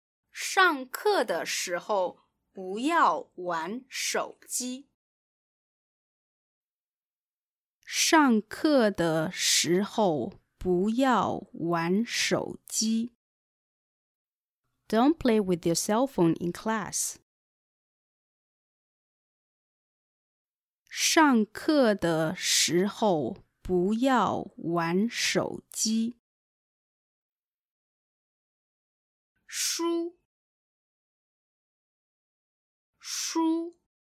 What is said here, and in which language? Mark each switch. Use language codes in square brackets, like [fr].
[zh] 上课的时候不要玩手机。上课的时候不要玩手机。 [en] Don't play with your cell phone in class. [zh] 上课的时候不要玩手机。书。书